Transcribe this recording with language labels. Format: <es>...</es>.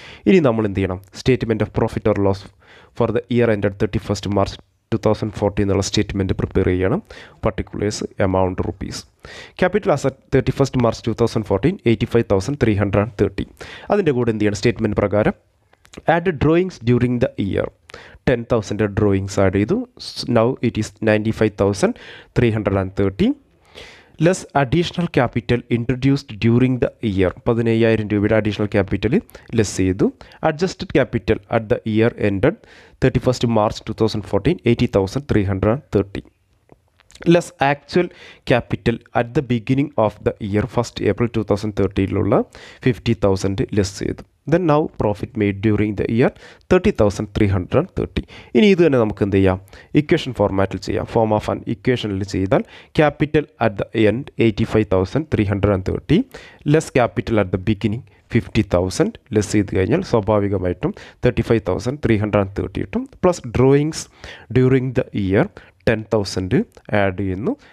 <ml>ഇനി നമ്മൾ എന്ത് ചെയ്യണം, statement of profit or loss for the year end 31st March 2014 എന്നുള്ള സ്റ്റേറ്റ്മെൻറ്റ് പ്രിപ്പയർ ചെയ്യണം.</ml> <en>Particulars amount rupees. Capital asset 31st March 2014 85,330.</en> <ml>അതിൻ്റെ കൂടെ എന്ത് ചെയ്യണം, സ്റ്റേറ്റ്മെൻറ്റ് പ്രകാരം</ml> <en>add drawings during the year. 10,000 drawings add ചെയ്തു. Now it is 95,330. Less additional capital introduced during the year. 15,000 രൂപയുടെ additional capital less ചെയ്തു. Adjusted capital at the year ended 31st March 2014 80,330. Less actual capital at the beginning of the year, 1st April 2013 50,000 less ചെയ്തു. Then now profit made during the year 30,330.</en> <ml>ഇനി ഇത് തന്നെ നമുക്ക് എന്ത് ചെയ്യാം, equation ഫോർമാറ്റിൽ ചെയ്യാം. ഫോം ഓഫ് ആൻ ഇക്വേഷനിൽ ചെയ്താൽ</ml> <en>capital at the end 85,330, less capital at the beginning</en> <ml>50,000 less ചെയ്ത് കഴിഞ്ഞാൽ സ്വാഭാവികമായിട്ടും 35,330 കിട്ടും.</ml> <en>plus drawings during the year 10,000</en> <ml>add ചെയ്യുന്നു.</ml>